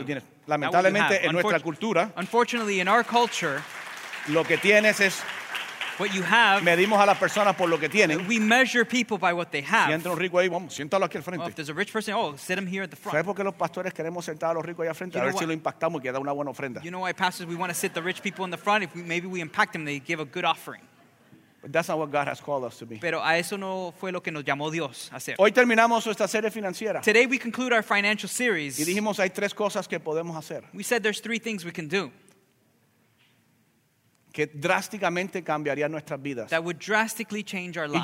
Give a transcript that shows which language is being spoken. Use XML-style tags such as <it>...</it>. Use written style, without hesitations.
<es>Lo que tú tienes. Lamentablemente en nuestra cultura.</es> <en>Unfortunately in our culture.</en> <es>Lo que tienes es.</es> <en>What you have,</en> <es>medimos a las personas por lo que tienen.</es> <en>We measure people by what they have.</en> <es>Si entra un rico ahí, vamos, siéntalo aquí al frente.</es> <en>Well, if there's a rich person, oh, sit him here at the front.</en> <es>¿Sabes por qué los pastores queremos sentar a los ricos allá al frente?</es> <en>You</en> <es>a ver si lo impactamos y que da una buena ofrenda.</es> <en>You know why pastors, we want to sit the rich people in the front. If we, maybe we impact them, they give a good offering. But that's not what God has called us to be.</en> <es>Pero a eso no fue lo que nos llamó Dios a hacer. Hoy terminamos esta serie financiera.</es> <en>Today we conclude our financial series.</en> <es>Y dijimos hay tres cosas que podemos hacer.</es> <en>We said there's three things we can do.</en> <es>Que drásticamente cambiaría nuestras vidas.</es> <en>That would drastically change our lives.</en>